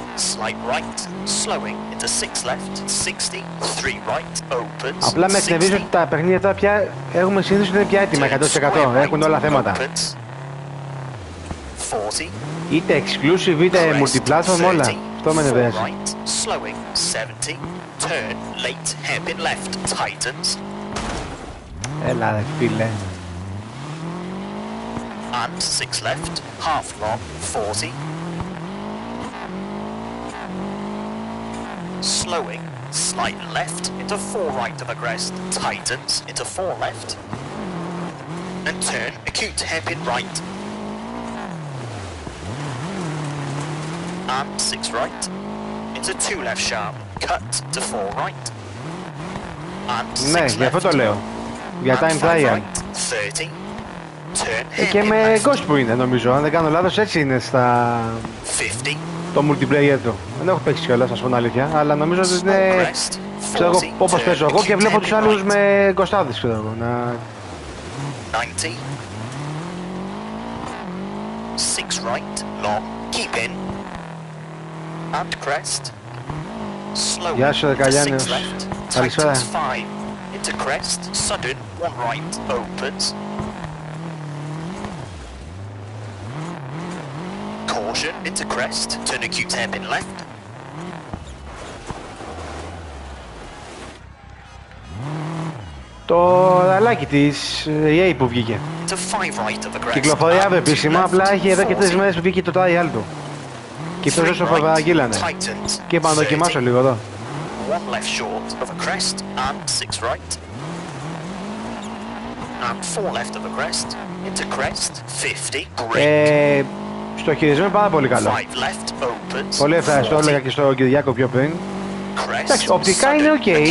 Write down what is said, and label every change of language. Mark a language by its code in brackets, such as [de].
[en] Slight right, slowing, into 6 left, 60. 3 right, opens, 60. [el] Απλά με εκνευρίζω ότι τα παιχνίδια τώρα πια έχουμε συνήθως είναι πια έτοιμα 100%. Έχουν όλα θέματα. [en] 40. [el] Είτε exclusive είτε multiplatform όλα. Αυτό με εκνευρίζει. [en] Right, slowing, 70. Turn, late, hairpin left, tightens. [el] Έλα ρε φίλε. [en] front, 6 left, half long, 40. Slowing, slight left, into 4 right to the crest, tightens, into 4 left. And turn, acute hairpin right. And 6 right, into 2 left sharp, cut to 4 right. And 6 [el] ναι, [en] left. [el] Για αυτό το λέω. Για time trial. [en] Right, 30. [el] Και με Ghost που είναι νομίζω, αν δεν κάνω λάθος έτσι είναι στα [en] 50. [el] Το multiplayer του. Δεν έχω παίξει κιόλας, να σου πω την αλήθεια, αλλά νομίζω ότι είναι ξέρω, όπως παίζω εγώ και βλέπω τους άλλους με Ghostάδες, ξέρω εγώ. Να... [en] 90. 6 right, long, keep in. And crest. Slow. [el] Γεια σου, Δεκαλιάνιος. Καλησπέρα. [en] Into crest, sudden, one right, opens. Caution, into crest, turn acute hairpin left. [el] Το αλάκι της EA που βγήκε. Κυκλοφορεί αύριο επίσημα, απλά έχει εδώ και 3 μέρες που βγήκε το trial του. Και πιο ζωσο φοβαγγείλανε. Και είπα να δοκιμάσω λίγο εδώ. [en] One left short of a crest and 6 right. And 4 left of a crest, into crest, 50, great. [el] Στο χειρισμό είναι πάρα πολύ καλό. Πολύ ευχαριστώ, έλεγα και στο Κυριάκο πιο πριν. Εντάξει, οπτικά είναι ok.